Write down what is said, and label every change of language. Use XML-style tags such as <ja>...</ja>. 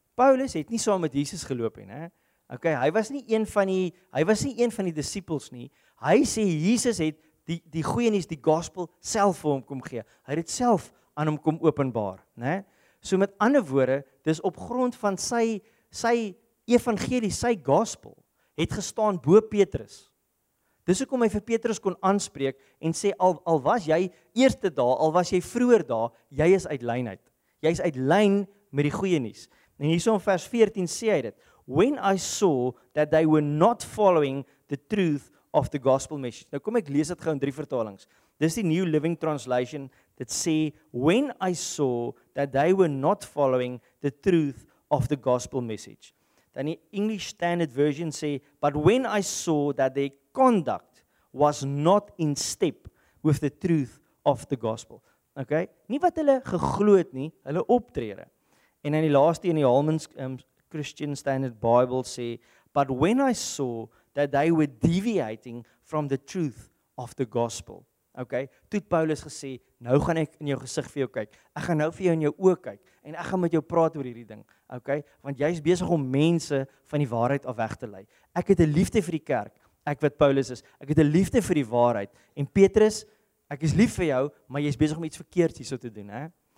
<af>Paulus het nie saam met Jesus geloop nie, né? Okay, hy was nie een van die disippels nie. Hy sê Jesus het die goeie nuus, die gospel self vir hom kom gee. Hy het dit self aan hom kom openbaar, né? So met ander woorde, dis op grond van sy evangelie, sy gospel het gestaan bo Petrus. Dis hoekom hy vir Petrus kon aanspreek en sê al was jy eerste daar, al was jy vroeër daar, jy is uit lyn uit. Jy is uit lyn met die goeie nuus. En hierso in vers 14 sê hy dit:</af> <en>"When I saw that they were not following the truth of the gospel message."</en> <af>Nou kom ek lees dit gou in 3 vertalings. Dis die New Living Translation. Dit sê:</af> <en>"When I saw that they were not following the truth of the gospel message."</en> <af>Dan die English Standard Version sê:</af> <en>"But when I saw that their conduct was not in step with the truth of the gospel." Okay?</en> <af>Nie wat hulle geglo het nie, hulle optrede. En in die laaste in die Holman's Christian Standard Bible sê:</af> <en>"But when I saw that they were deviating from the truth of the gospel."</en> <af>Okay, toe het Paulus gesê, nou gaan ek in jou gesig vir jou kyk. Ek gaan nou vir jou in jou oë kyk en ek gaan met jou praat oor hierdie ding. Okay, want jy is besig om mense van die waarheid af weg te lei. Ek het 'n liefde vir die kerk. Ek wat Paulus is. Ek het 'n liefde vir die waarheid. En Petrus, ek is lief vir jou, maar jy is besig om iets verkeerds hierso te doen, hè?</af>